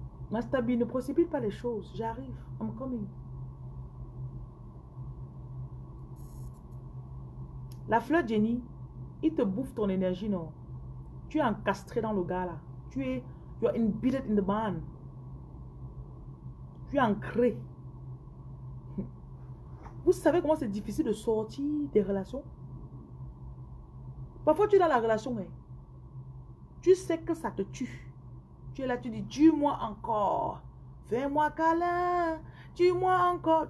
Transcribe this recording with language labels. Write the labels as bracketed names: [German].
[French] Mastabi, ne précipite pas les choses. J'arrive. [English] I'm coming. [French] La fleur Jenny, il te bouffe ton énergie, non? Tu es encastré dans le gars là. [English] You are embedded in the man. [French] Tu es ancré. Vous savez comment c'est difficile de sortir des relations? Parfois tu es dans la relation, mais tu sais que ça te tue. Tu es là, tu dis, tue-moi encore. Fais-moi câlin. Tue-moi encore.